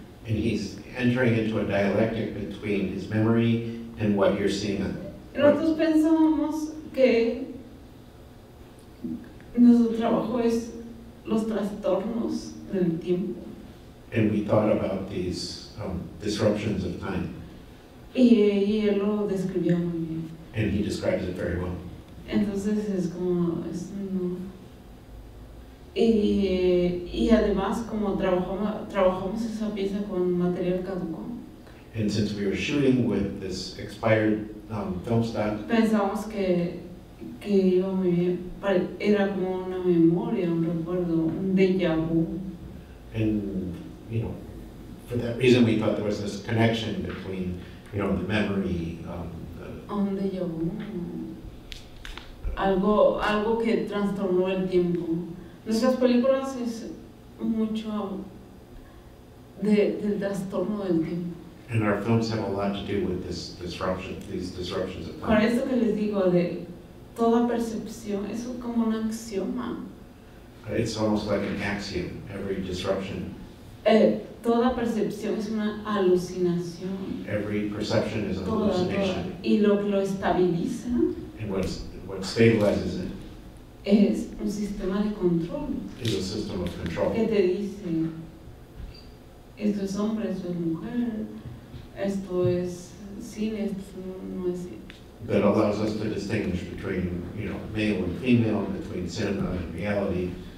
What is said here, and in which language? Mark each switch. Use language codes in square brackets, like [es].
[en] And he's entering into a dialectic between his memory and what you're seeing. [es] Nosotros pensamos que nuestro trabajo es los trastornos del tiempo. [en] And we thought about these disruptions of time. [es] Y él lo describió muy bien. [en] And he describes it very well. [es] Entonces es como es no. Y además como trabajamos esa pieza con material caduco. [en] And since we were shooting with this expired film stock. [es] Pensamos que iba muy bien. Era como una memoria, un recuerdo, un déjà vu. [en] And for that reason, we thought there was this connection between, the memory. [es] Un déjà vu. Algo que trastornó el tiempo. Nuestras películas es mucho del trastorno del tiempo. [en] And our films have a lot to do with this disruption, these disruptions of time. [es] Con eso que les digo de toda percepción, eso es como un axioma. [en] It's almost like an axiom, every disruption. [es] Toda percepción es una alucinación. [en] Every perception is an hallucination. [es] Y lo que lo estabiliza. [en] And what stabilizes it. [es] Es un sistema de control. [en] Is a system of control. [es] Que te dice, esto es hombre, esto es mujer, esto es cine, esto no es cine. [en] That allows us to distinguish between, you know, male and female, between cinema and reality.